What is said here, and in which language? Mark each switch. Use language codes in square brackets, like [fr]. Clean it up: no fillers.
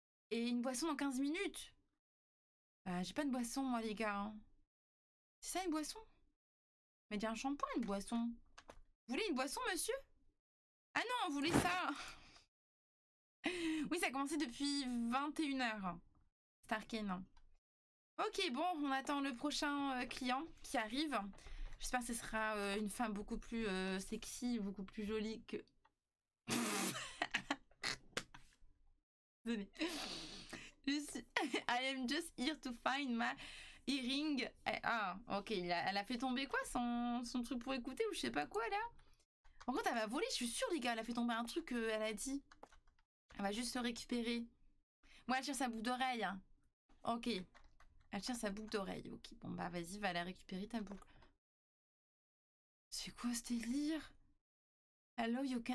[fr] Et une boisson dans 15 minutes. J'ai pas de boisson, moi, les gars. Hein. C'est ça, une boisson? Mais dis un shampoing, une boisson. Vous voulez une boisson, monsieur? Ah non, vous voulez ça? Oui, ça a commencé depuis 21h. Starken. Ok, bon, on attend le prochain client qui arrive. J'espère que ce sera une femme beaucoup plus sexy, beaucoup plus jolie que. Désolée. [en] I am just here to find my earring. [fr] Ah, ok. Elle a fait tomber quoi, son truc pour écouter ou je sais pas quoi là? En gros, elle va voler, je suis sûre, les gars. Elle a fait tomber un truc, elle a dit. Elle va juste se récupérer. Moi, elle tire sa boucle d'oreille. Hein. Ok. Elle tire sa boucle d'oreille. Ok. Bon, bah, vas-y, va la récupérer ta boucle. C'est quoi ce délire? [en] Hello, [fr] Yoka.